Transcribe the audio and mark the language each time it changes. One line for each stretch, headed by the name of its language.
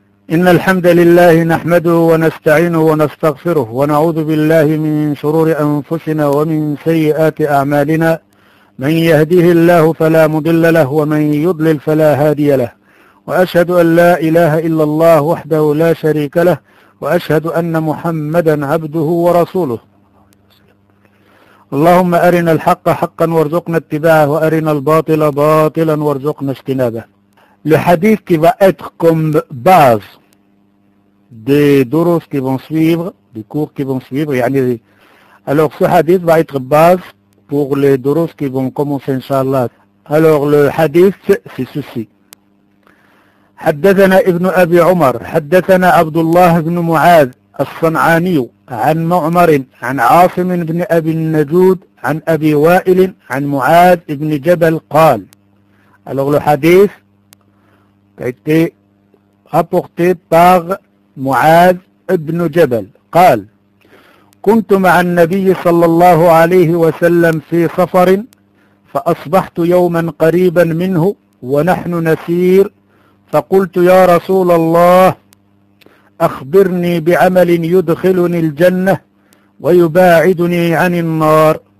Arabic: إن الحمد لله نحمده ونستعينه ونستغفره ونعوذ بالله من شرور أنفسنا ومن سيئات أعمالنا، من يهده الله فلا مضل له ومن يضلل فلا هادي له، وأشهد أن لا إله إلا الله وحده لا شريك له، وأشهد أن محمدا عبده ورسوله. اللهم أرنا الحق حقا وارزقنا اتباعه، وأرنا الباطل باطلا وارزقنا اجتنابه.
French: Le hadith qui va être comme base des durus qui vont suivre, des cours qui vont suivre. Alors ce hadith va être base pour les durus qui vont commencer, inshallah. Alors le hadith, c'est ceci.
Arabic: حدثنا ابن أبي عمر حدثنا عبد الله بن معاذ الصنعاني عن معمر عن عاصم بن أبي النجود عن أبي وائل عن معاذ بن جبل قال.
French: Alors le hadith a été apporté par Mu'adh ibn Jabal.
Arabic: قال كنت مع النبي صلى الله عليه وسلم في سفر فأصبحت يوما قريبا منه ونحن نسير فقلت يا رسول الله أخبرني بعمل يدخلني الجنة ويباعدني عن النار.